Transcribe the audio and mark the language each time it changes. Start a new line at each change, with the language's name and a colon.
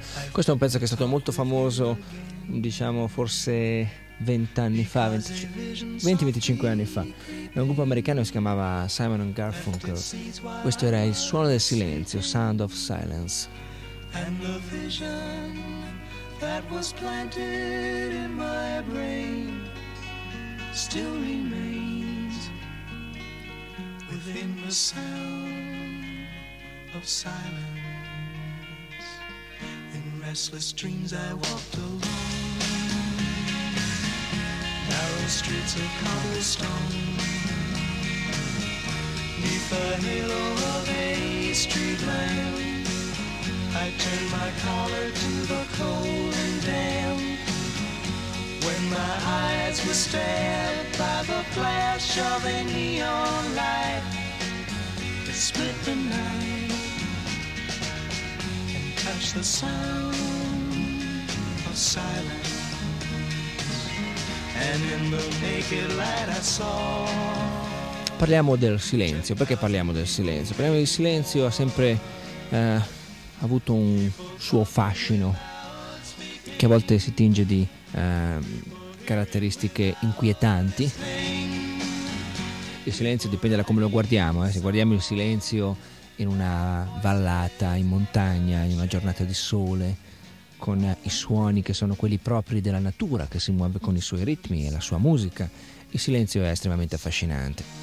Italian: Questo è un pezzo che è stato molto famoso, diciamo forse 20-25 anni fa. È un gruppo americano che si chiamava Simon & Garfunkel. Questo era Il suono del silenzio, Sound of Silence.
English: And the vision that was planted in my brain still remains within the sound of silence. Restless dreams I walked alone, narrow streets of cobblestone, neath the halo of a street lamp, I turned my collar to the cold and damp, when my eyes were stared by the flash of a neon light, it split the night. Touch the sound of silence, and in the naked light I saw.
Italian: Parliamo del silenzio. Perché parliamo del silenzio? Parliamo del silenzio, ha sempre avuto un suo fascino, che a volte si tinge di caratteristiche inquietanti. Il silenzio dipende da come lo guardiamo, eh. Se guardiamo il silenzio in una vallata, in montagna, in una giornata di sole, con i suoni che sono quelli propri della natura, che si muove con i suoi ritmi e la sua musica, il silenzio è estremamente affascinante.